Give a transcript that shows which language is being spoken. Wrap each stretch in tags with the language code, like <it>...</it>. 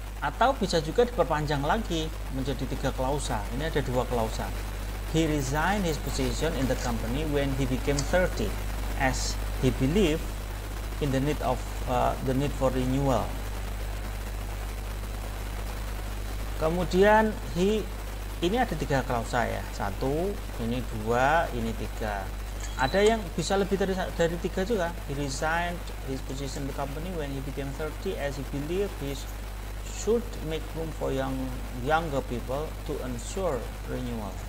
<id>Atau bisa juga diperpanjang lagi menjadi tiga klausa. Ini ada dua klausa.</id> <en>He resigned his position in the company when he became 30 as he believed in the need for renewal.</en> <id>Kemudian ini ada tiga klausa ya. Satu, ini dua, ini tiga. Ada yang bisa lebih dari tiga juga.</id> <en>He resigned his position in the company when he became 30 as he believed his should make room for younger people to ensure renewal.</en>